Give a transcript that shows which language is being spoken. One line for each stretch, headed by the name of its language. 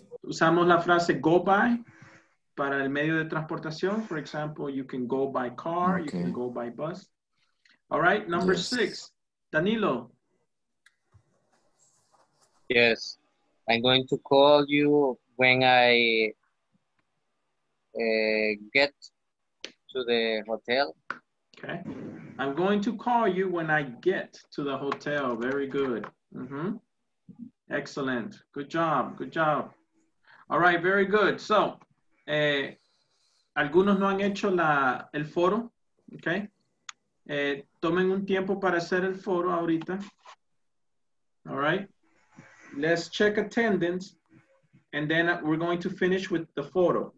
Spanish: Usamos la frase
English: go by
Spanish: para el medio de transportación.
English: For example, you can go by car, okay. You can go by bus. All right, number yes. Six, Danilo. Yes, I'm going to call you when I get to the hotel. Okay. I'm going to call you when I get to the hotel. Very good. Mm-hmm. Excellent. Good job. Good job. All right. Very good.
Spanish: So, algunos no han hecho el foro. Okay. Tomen un tiempo para hacer el foro ahorita.
English: All right. Let's check attendance. And then we're going to finish with the foro.